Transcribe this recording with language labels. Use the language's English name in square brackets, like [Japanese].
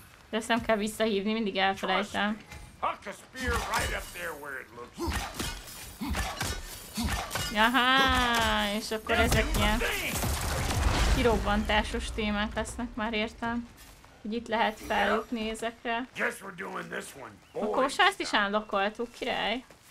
[Hungarian] De ezt nem kell visszahívni, mindig elfelejtem. [English] Huck a spear right up there where it looks. [Hungarian] Aha, és akkor ezek ilyen kirobbantásos témák lesznek, már értem, hogy itt lehet felrúgni ezekre. Akkor most ezt is állokoltuk, király.